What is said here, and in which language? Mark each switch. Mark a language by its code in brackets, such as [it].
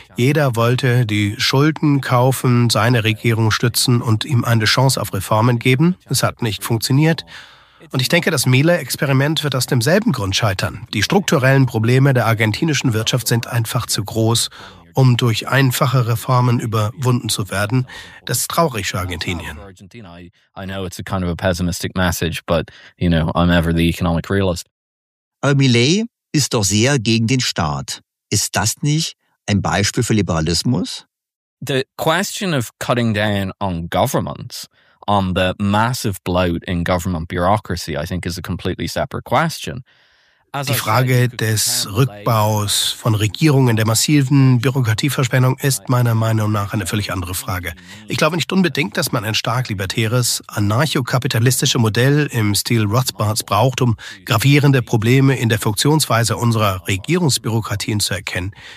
[de] Jeder wollte die Schulden kaufen, seine Regierung stützen und ihm eine Chance auf Reformen geben. Es hat nicht funktioniert. Und ich denke, das Milei-Experiment wird aus demselben Grund scheitern. Die strukturellen Probleme der argentinischen Wirtschaft sind einfach zu groß, um durch einfache Reformen überwunden zu werden. Das ist traurig für Argentinien. [en] I know it's a kind of a pessimistic message, but you know, I'm ever the economic realist. [de] Aber Milei ist doch sehr gegen den Staat. Ist das nicht ein Beispiel für Liberalismus? [en] The question of cutting down on governments, on the massive bloat in government bureaucracy, I think is a completely separate question. [de] Die Frage des Rückbaus von Regierungen, der massiven Bürokratieverschwendung, ist meiner Meinung nach eine völlig andere Frage. Ich glaube nicht unbedingt, dass man ein stark libertäres, anarcho-kapitalistisches Modell im Stil Rothbards braucht, um gravierende Probleme in der Funktionsweise unserer Regierungsbürokratien zu erkennen.